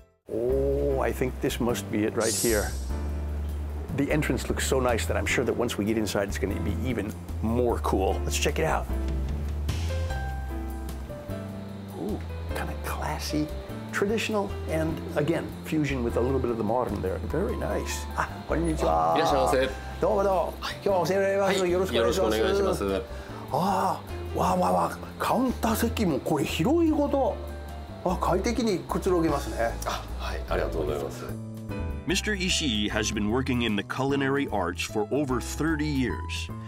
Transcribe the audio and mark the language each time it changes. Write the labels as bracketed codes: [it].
[en] Oh, I think this must be it right here. The entrance looks so nice that I'm sure that once we get inside, it's going to be even more cool. Let's check it out. Ooh, kind of classy. Traditional and again fusion with a little bit of the modern there. Very nice. [ja] こんにちは。いらっしゃいませ。どうもどうも。今日はお世話になります。よろしくお願いします。ああ、わあわあわあ。カウンター席もこれ広いほど、あ、快適にくつろげますね。あ、はい、ありがとうございます。 [en] Mr. Ishii has been working in the culinary arts for over 30 years.